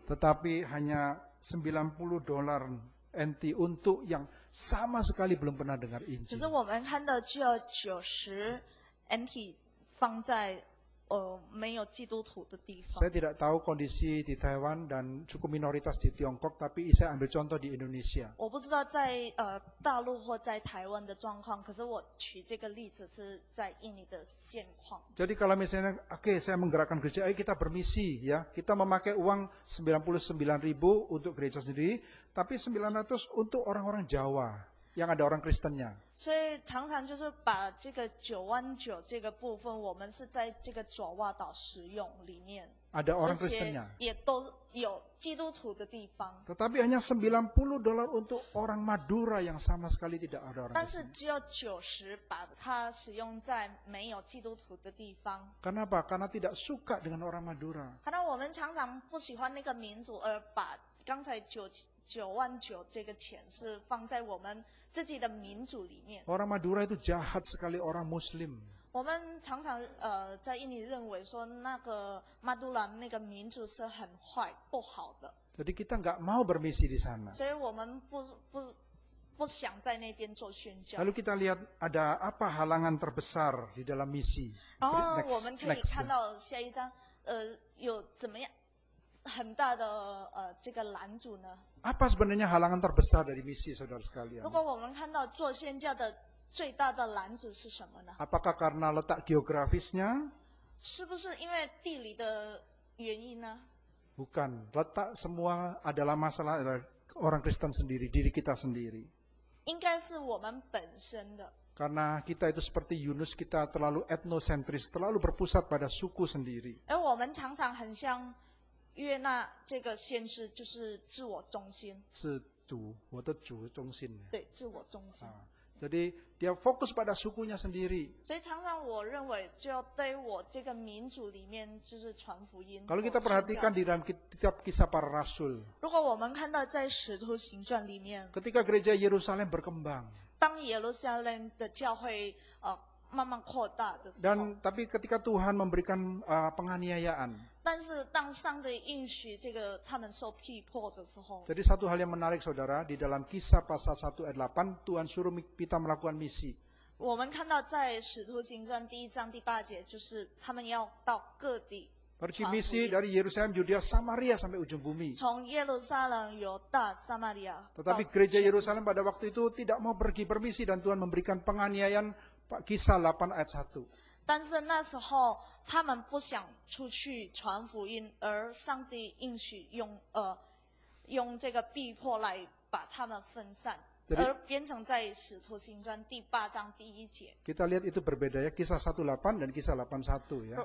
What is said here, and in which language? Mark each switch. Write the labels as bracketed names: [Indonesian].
[Indonesian] Tetapi hanya $90. NT untuk yang sama sekali belum pernah dengar Injil. [Chinese] 就是我们看到只有90 NT 放在没有基督徒的地方。 [Indonesian] Saya tidak tahu kondisi di Taiwan dan suku minoritas di Tiongkok, tapi saya ambil contoh di Indonesia. [Chinese] 我不知道在大陆或在台湾的状况，可是我举这个例子是在印尼的现况。 [Indonesian] Jadi kalau misalnya, okay, saya menggerakkan gereja, ayo kita bermisi, ya, kita memakai uang 99,000 untuk gereja sendiri, tapi 900 untuk orang-orang Jawa yang ada orang Kristennya. [Chinese] 所以常常就是把这个99,000这个部分，我们是在这个爪哇岛使用里面。 [Indonesian] Ada orang Kristennya. [Chinese] 也都有基督徒的地方。 [Indonesian] Tetapi hanya $90 untuk orang Madura yang sama sekali tidak ada orang. [Chinese] 但是只有90把它使用在没有基督徒的地方。 [Indonesian] Kenapa? Karena tidak suka dengan orang Madura. Karena [Chinese] 我们常常不喜欢那个民族，而把刚才99,000这个钱是放在我们自己的民族里面。 [Indonesian] Orang Madura itu jahat sekali orang Muslim. [Chinese] 我们常常在印尼认为说那个 Madura 那个民族是很坏不好的。 [Indonesian] Jadi kita enggak mau bermisi di sana. [Chinese] 所以我们不想在那边做宣教。 [Indonesian] Lalu kita lihat ada apa halangan terbesar di dalam misi. [Chinese] 然后我们可以看到下一张有怎么样很大的这个拦阻呢？ [Indonesian] Apa sebenarnya halangan terbesar dari misi saudara sekalian? [Chinese] 如果我们看到做宣教的最大的拦阻是什么呢？ [Indonesian] Apakah karena letak geografisnya? [Chinese] 是不是因为地理的原因呢？ [Indonesian] Bukan, letak semua adalah masalah orang Kristen sendiri, diri kita sendiri. [Chinese] 应该是我们本身的。 [Indonesian] Karena kita itu seperti Yunus, kita terlalu etnosentris, terlalu berpusat pada suku sendiri. [Chinese] 而我们常常很像约纳这个先知就是自我中心，是主，我的主中心，对，自我中心。 [Indonesian] Jadi dia fokus pada sukunya sendiri. [Chinese] 所以常常我认为就要对我这个民族里面就是传福音。 [Indonesian] Kalau kita perhatikan di dalam kitab Kisah Para Rasul. [Chinese] 如果我们看到在使徒行传里面。 [Indonesian] Ketika gereja Yerusalem berkembang. [Chinese] 当耶路撒冷的教会慢慢扩大的时候。 [Indonesian] Dan tapi ketika Tuhan memberikan penganiayaan. [Chinese] 但是当上帝应许这个他们受逼迫的时候， [Indonesian] jadi satu hal yang menarik saudara di dalam kisah pasal 1 ayat 8 Tuhan suruh kita melakukan misi. [Chinese] 我们看到在使徒行传第一章第八节，就是他们要到各地。 [Indonesian] Pergi misi dari Yerusalem, Yudea, Samaria sampai ujung bumi. [Chinese] 从耶路撒冷、犹大、撒玛利亚。 [Indonesian] Tetapi gereja Yerusalem pada waktu itu tidak mau pergi bermisi dan Tuhan memberikan penganiayaan kisah 8 ayat 1 [Chinese] 但是那时候他们不想出去传福音，而上帝应许用这个逼迫来把他们分散，而变成在使徒行传第八章第一节。 [Indonesian] Kita lihat itu berbeda ya, kisah 18 dan kisah 81 ya.